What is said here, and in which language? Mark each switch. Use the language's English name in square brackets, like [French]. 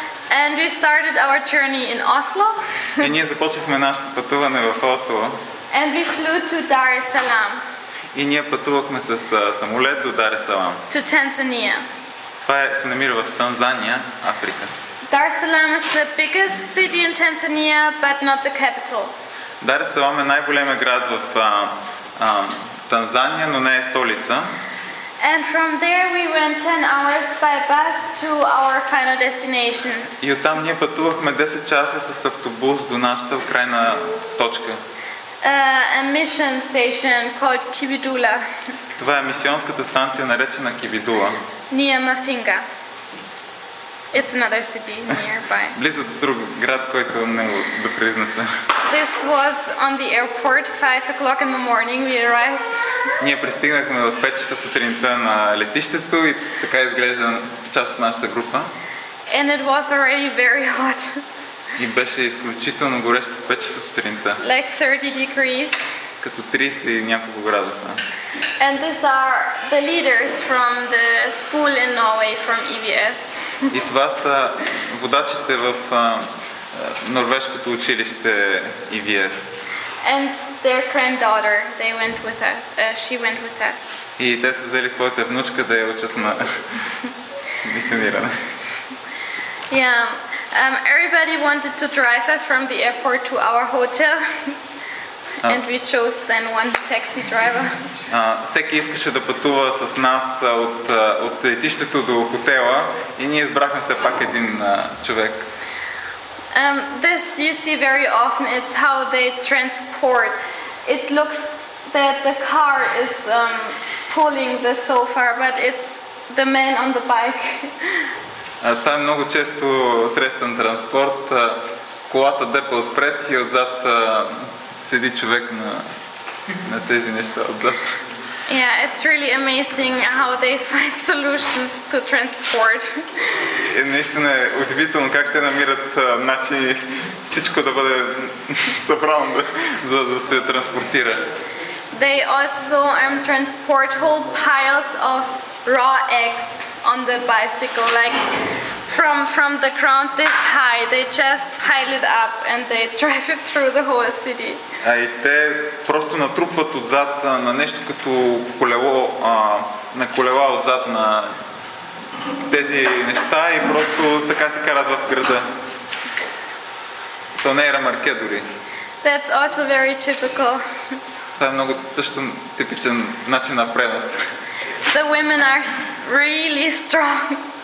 [English] And we started our journey in Oslo. [Bulgarian] И ние започнахме нашето пътуване в Осло. [English] And we flew to Dar es Salaam. [Bulgarian] И ние пътувахме с самолет до Дар ес Салам. [English] To Tanzania. [Bulgarian] Това се намира в Танзания, Африка. [English] Dar es Salaam is the biggest city in Tanzania, but not the capital. [Bulgarian] Дар ес Салам е най-големият град в Танзания, но не е столица. [English] And from there we went 10 hours by bus to our final destination. [Bulgarian] И оттам ние пътувахме 10 часа с автобус до нашата крайна точка. [English] A mission station called Kibidula. [Bulgarian] Това е мисионската станция наречена Кибидула. [English] Near Mafinga. It's another city nearby. [Bulgarian] Близо до друг град, който не мога да произнеса. [English] This was on the airport, 5 o'clock in the morning we arrived. [Bulgarian] Ние пристигнахме в 5 часа сутринта на летището и така изглежда част от нашата група. [English] And it was already very hot. [Bulgarian] И беше изключително горещо в 5 часа сутринта. [English] Like 30 degrees. [Bulgarian] Като 30 и няколко градуса. [English] And these are the leaders from the school in Norway, from EVS. [Bulgarian] И това са водачите в норвежкото училище EVS. [English] And their granddaughter, they went with us. She went with us. [Bulgarian] И те са взели своята внучка да я учат на мисиониране. [English] Yeah. Everybody wanted to drive us from the airport to our hotel. And we chose then one taxi driver. [Bulgarian] Всеки искаше да пътува с нас от летището до хотела и ние избрахме все пак един човек. [English] This you see very often, it's how they transport. It looks that the car is pulling the sofa, but it's the man on the bike. [Bulgarian] Това е много често срещан транспорт. Колата дърпа отпред и отзад седи човек на тези неща отзад. [English] Yeah, it's really amazing how they find solutions to transport. [Bulgarian] И наистина е удивително как те намират начини всичко да бъде събрано, за да се транспортира. [English] They also transport whole piles of raw eggs on the bicycle, like from the ground this high, they just pile it up and they drive it through the whole city. [Bulgarian] А и те просто натрупват отзад на нещо като колело, на колела отзад на тези неща и просто така се карат в града. То не е ремарке дори. [English] That's also very typical. [Bulgarian] Това е много също типичен начин на пренос. [English] The women are really strong.